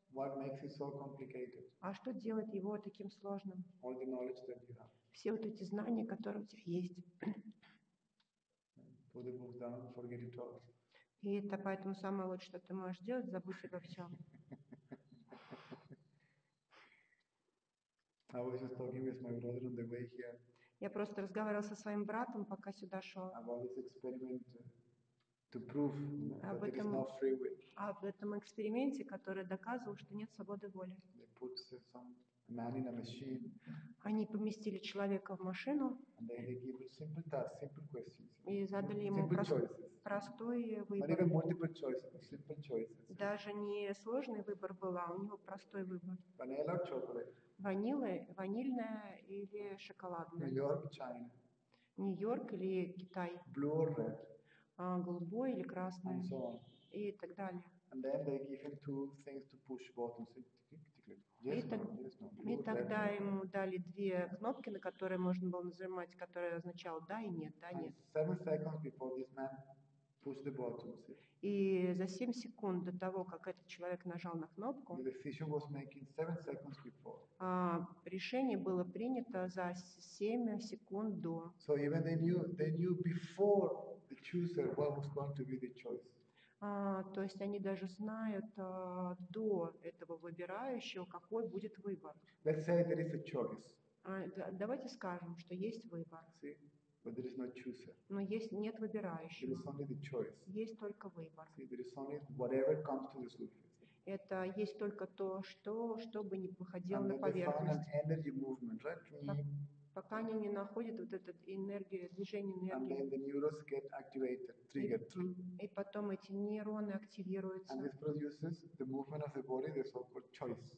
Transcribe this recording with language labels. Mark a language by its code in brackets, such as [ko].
[en] What makes it so complicated? [ru] А что делает его таким сложным? [en] All the knowledge that you have. [ru] Все вот эти знания, которые у тебя есть. [en] Put the book down, forget it all. [ru] И это поэтому самое лучшее, что ты можешь делать, забудь обо всем. [en] I was just talking with my brother on the way here. [ru] Я просто разговаривал со своим братом, пока сюда шел. [en] About this experiment to prove that there is no free will. [ru] Об этом эксперименте, который доказывал, что нет свободы воли. [en] They put some man in a machine. [ru] Они поместили человека в машину. [en] And they gave him simple tasks, simple questions. [ru] И задали ему простой выбор. [en] Not even multiple choices, simple choices. [ru] Даже не сложный выбор был, а у него простой выбор. [en] Vanilla or chocolate? [ru] Ванильное или шоколадное? [en] Нью-Йорк, Чайна. [ru] Нью-Йорк или Китай? [en] Blue or red? [ru] Голубой или красный? [en] And so on. [ru] И так далее. [en] And then they give him two things to push buttons. Yes, [ru] и тогда ему дали две кнопки, на которые можно было нажимать, которые означали да и нет, да и нет. [en] 7 seconds before this man pushed the button. [ru] И за 7 секунд до того, как этот человек нажал на кнопку, [en] the decision was making 7 seconds before. [ru] Решение было принято за 7 секунд до. [en] So even they knew before the chooser what was going to be the choice. [ru] То есть они даже знают до этого выбирающего, какой будет выбор. [en] Let's say there is a choice. [ru] Давайте скажем, что есть выбор. [en] See? But there is no chooser. [ru] Но есть, нет выбирающего. [en] There is only the choice. [ru] Есть только выбор. [en] See, there is only whatever comes to the surface. [ru] Это есть только то, что бы ни выходило на поверхность. [en] An energy movement, right? [ru] Пока они не находят вот этот энергию, движение энергии. [en] And then the neurons get activated, triggered. [ru] И потом эти нейроны активируются. [en] And this produces the movement of the body, the so-called choice.